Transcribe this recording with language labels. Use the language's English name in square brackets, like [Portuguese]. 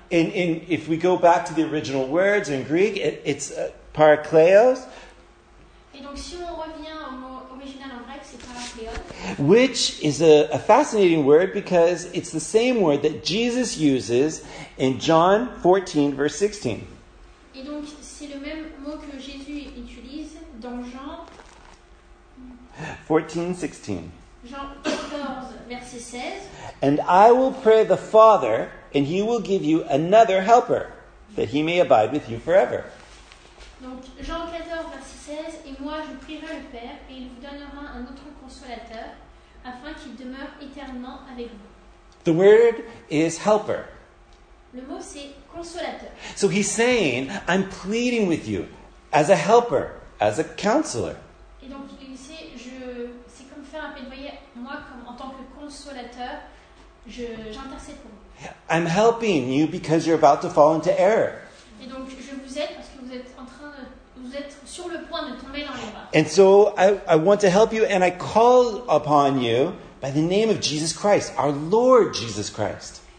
[English] And if we go back to the original words in Greek, it's parakleos. [French] Et donc si on revient au mot original en grec, c'est parakleos. [English] Which is a fascinating word because it's the same word that Jesus uses in John 14 verse 16. [French] Et donc c'est le même mot que Jésus utilise dans Jean 14:16. Jean 14, verset 16. [English] And I will pray the Father, and he will give you another helper, that he may abide with you forever. [French] Donc Jean 14, verset 16. Et moi je prierai le Père, et il vous donnera un autre consolateur, afin qu'il demeure éternellement avec vous. [English] The word is helper. [French] Le mot c'est consolateur. [English] So he's saying, I'm pleading with you as a helper, as a counselor. [French] Et donc ici, c'est comme faire un plaidoyer. Moi, comme, en tant que consolateur, j'intercède pour vous. [English] I'm helping you because you're about to fall into error. [French] Et donc je vous aide parce que vous êtes sur le point de tomber dans l'erreur. [English] And so I want to help you, and I call upon you by the name of Jesus Christ, our Lord Jesus Christ.